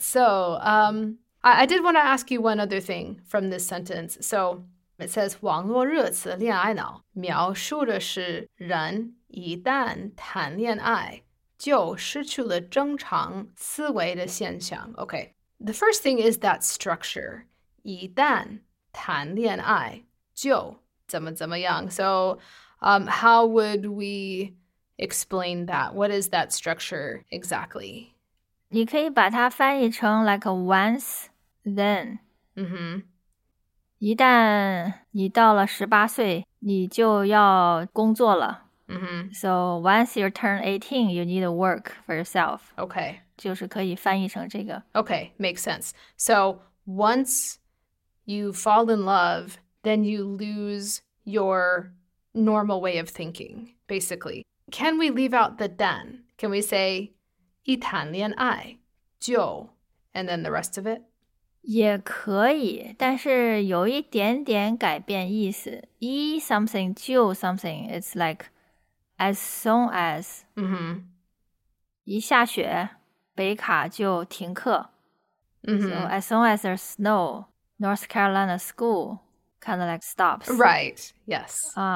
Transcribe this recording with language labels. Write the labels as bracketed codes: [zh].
[en] So I did want to ask you one other thing from this sentence. So... It says, [zh] 网络热词恋爱脑描述的是人一旦谈恋爱就失去了正常思维的现象。 [en] Okay, the first thing is that structure. [zh] 一旦谈恋爱就怎么怎么样。 [en] So, how would we explain that? What is that structure exactly? [zh] 你可以把它翻译成 [en] like once, then. Mm-hmm. [zh] 一旦你到了十八岁你就要工作了。 Mm-hmm. [en] So once you turn 18, you need to work for yourself. Okay. [zh] 就是可以翻译成这个。 [en] Okay, makes sense. So once you fall in love, then you lose your normal way of thinking, basically. Can we leave out the then? Can we say, [zh] 一谈恋爱就 [en] and then the rest of it? [zh] 也可以但是有一点点改变意思。 [en] 一 something, 就 something, it's like as soon as、 mm-hmm. [zh] 一下雪北卡就停课。 Mm-hmm. [en] So as soon as there's snow, North Carolina school kind of like stops. Right, yes.